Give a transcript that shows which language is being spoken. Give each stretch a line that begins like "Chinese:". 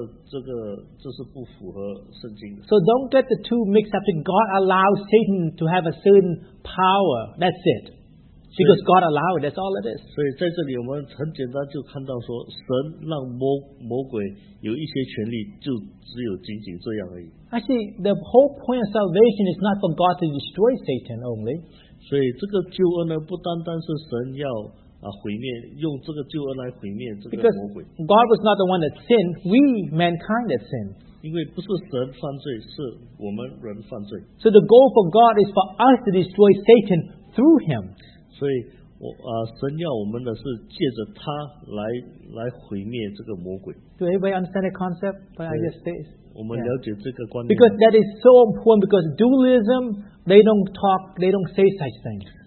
Chinese: 其实这个不存在的，因为这个恶言论就是说神跟魔鬼是同等的，这是不符合圣经的。
English: So don't get the two mixed up. God allows Satan to have a certain power. That's it. Because God allowed it, that's all it is.
Chinese: 所以在这里我们很简单就看到说神让魔鬼有一些权利，就只有仅仅这样而已。
English: Actually, the whole point of salvation is not for God to destroy Satan only.
Chinese: 所以这个救恩呢，不单单是神要毁灭，用这个救恩来毁灭这个魔鬼。
English: Because God was not the one that sinned, we mankind that sinned.
Chinese: 因为不是神犯罪，是我们人犯罪。
English: So the goal for God is for us to destroy Satan through him.
Chinese: 所以神要我们的是借着他来毁灭这个魔鬼。
English: Do everybody understand the concept? But I just say.
Chinese: 我们了解这个观念。
English: Because that is so important, because dualism, they don't talk, they don't say such things.